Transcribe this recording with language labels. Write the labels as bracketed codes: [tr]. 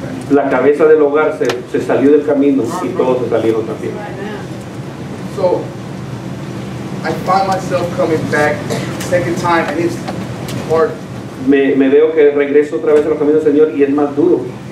[es] La cabeza del hogar se salió del camino y todos se salieron también. [en] So, I find myself coming back second time and it's hard. [es] Me veo que regreso otra vez a los caminos del Señor y es más duro.